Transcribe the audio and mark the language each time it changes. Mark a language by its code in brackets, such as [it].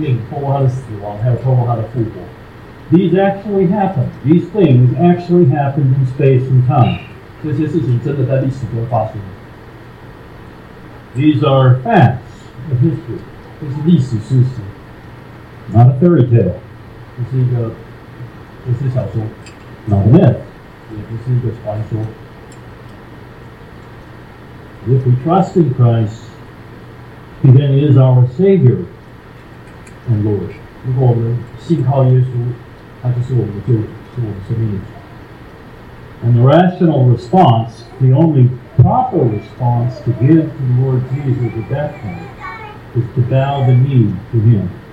[zh] 换句话说，耶稣他拯救我们是透过他的生命，透过他的死亡，还有透过他的复活。 [en] These actually happen. These things actually happen in space and time. [zh] 这些事情真的在历史中发生。 [en] These are facts of history. [zh] 这是历史事实。 [en] Not a fairy tale. [zh] 这是小说。 [en] Not a myth. [zh] 也不是一个传说。 [en] If we trust in Christ, He then is our Savior and Lord. [zh] 如果我们信靠耶稣, 祂就是我们的救主, [en] and the rational response, the only proper response to give to the Lord Jesus at that point, is to bow the knee to Him.